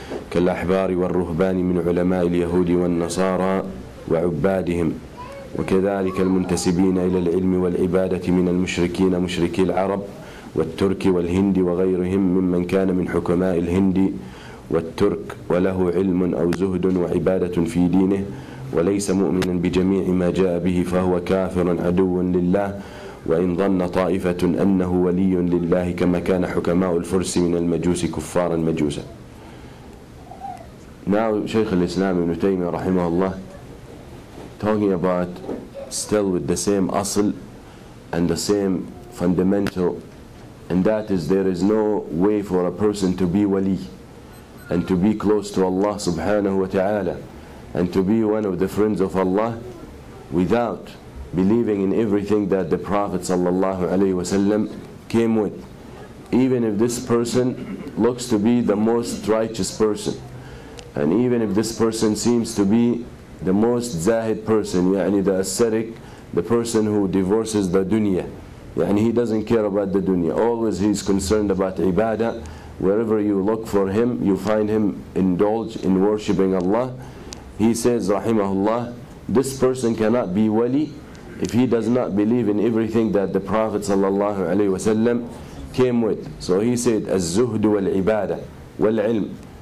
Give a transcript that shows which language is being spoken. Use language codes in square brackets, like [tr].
[ar] كالأحبار والرهبان من علماء اليهود والنصارى وعبادهم وكذلك المنتسبين إلى العلم والعبادة من المشركين مشركي العرب والترك والهند وغيرهم ممن كان من حكماء الهند والترك وله علم أو زهد وعبادة في دينه وليس مؤمنا بجميع ما جاء به فهو كافر عدو لله وإن ظن طائفة أنه ولي لله كما كان حكماء الفرس من المجوس كفارا مجوسا. [en] Now شيخ الإسلام ابن تيمية [ar] رحمه الله [en] talking about still with the same أصل and the same fundamental, and that is there is no way for a person to be ولي and to be close to Allah subhanahu wa ta'ala and to be one of the friends of Allah without believing in everything that the Prophet sallallahu alayhi wa sallam came with. Even if this person looks to be the most righteous person and even if this person seems to be the most zahid person, يعني the ascetic, the person who divorces the dunya, يعني he doesn't care about the dunya, always he's concerned about ibadah. Wherever you look for him, you find him indulged in worshipping Allah. He says, Rahimahullah, this person cannot be wali if he does not believe in everything that the Prophet sallallahu alayhi wa sallam came with. So he said, [ar] الزهد والعبادة والعلم.